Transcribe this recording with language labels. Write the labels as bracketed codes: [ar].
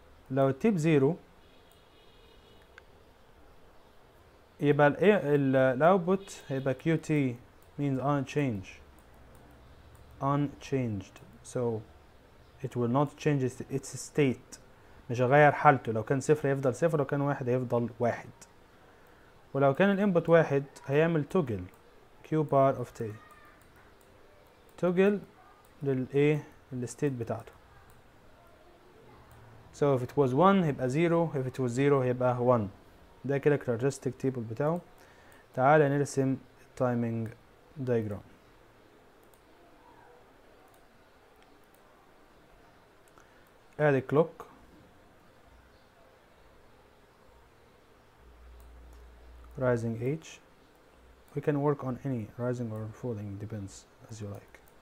[ar] لو T بزيرو يبقى الـ output هيبقى Q [en] T means unchanged، unchanged so it will not change its state. [ar] مش هغير حالته. لو كان صفر يفضل صفر، لو كان واحد يفضل واحد. ولو كان الانبوت واحد هيعمل توجل q bar of t، توجل للايه الستيت بتاعته. [en] so if it was 1 [ar] هيبقى [en] 0، if it was 0 هيبقى 1. [ar] ده كده كاركترستيك تيبل بتاعه. تعال نرسم التايمينج دايجرام. ادي كلوك، rising h. [en] we can work on any rising or falling, depends as you like.